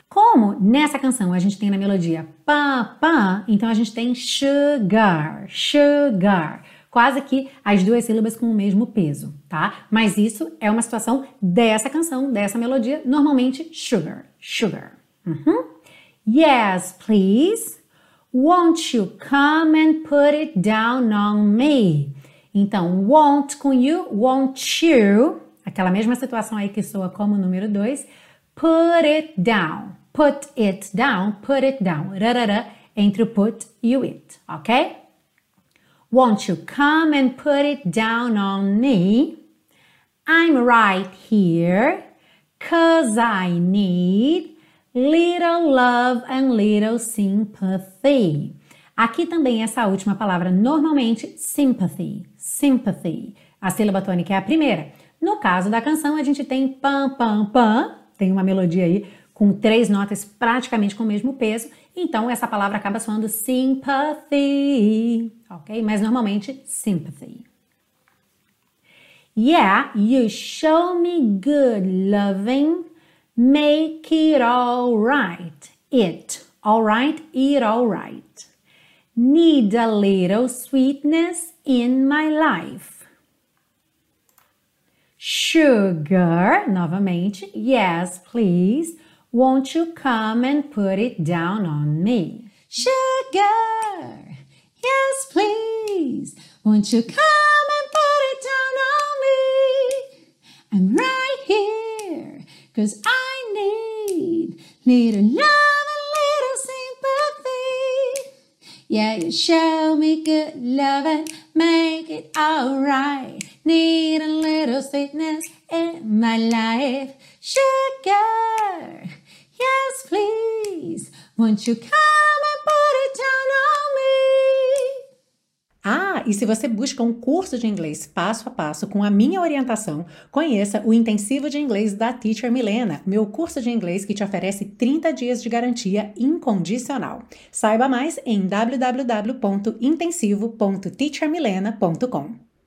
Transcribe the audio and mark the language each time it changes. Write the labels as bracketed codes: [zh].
[pt] Como nessa canção a gente tem na melodia pá, pá, então a gente tem sugar, sugar. Quase que as duas sílabas com o mesmo peso, tá? Mas isso é uma situação dessa canção, dessa melodia, normalmente sugar, sugar. [en] Uhum. Yes, please. Won't you come and put it down on me? [pt] Então, won't com you, won't you, aquela mesma situação aí que soa como o número 2, put it down, put it down, put it down, rarara, entre o put e o it, ok? [en] Won't you come and put it down on me? I'm right here, 'cause I need little love and little sympathy. [pt] Aqui também essa última palavra, normalmente sympathy, sympathy. A sílaba tônica é a primeira. No caso da canção, a gente tem pam, pam, pam. Tem uma melodia aí com três notas praticamente com o mesmo peso. Então, essa palavra acaba soando sympathy, ok? Mas normalmente sympathy. [en] Yeah, you show me good loving, make it all right, it, all right, it all right. Need a little sweetness in my life. Sugar, novamente, yes, please. Won't you come and put it down on me? Sugar, yes, please. Won't you come and put it down on me? I'm right here, 'cause I need little love and little sympathy. Yeah, you show me good love and make it all right. Need a little sweetness in my life. Sugar, yes, please, won't you come and put it down on me? [pt] Ah, e se você busca um curso de inglês passo a passo com a minha orientação, conheça o Intensivo de Inglês da Teacher Milena, meu curso de inglês que te oferece 30 dias de garantia incondicional. Saiba mais em www.intensivo.teachermilena.com.